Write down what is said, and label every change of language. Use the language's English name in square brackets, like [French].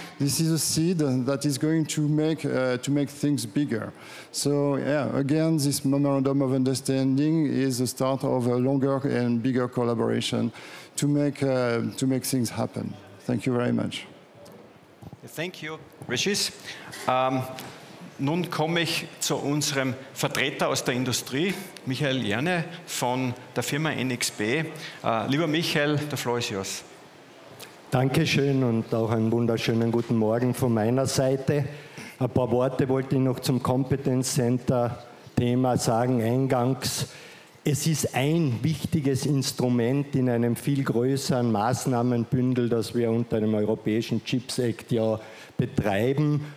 [English] This is a seed that is going to make things bigger. So yeah, again, this memorandum of understanding is the start of a longer and bigger collaboration to make things happen. Thank you very much. Thank you, Regis. [German] Nun komme ich zu unserem Vertreter aus der Industrie, Michael Jerne von der Firma NXP. Lieber [English] Michael, the floor is yours. [German] Dankeschön und auch einen wunderschönen guten Morgen von meiner Seite. Ein paar Worte wollte ich noch zum Competence Center Thema sagen eingangs. Es ist ein wichtiges Instrument in einem viel größeren Maßnahmenbündel, das wir unter dem Europäischen Chips Act ja betreiben.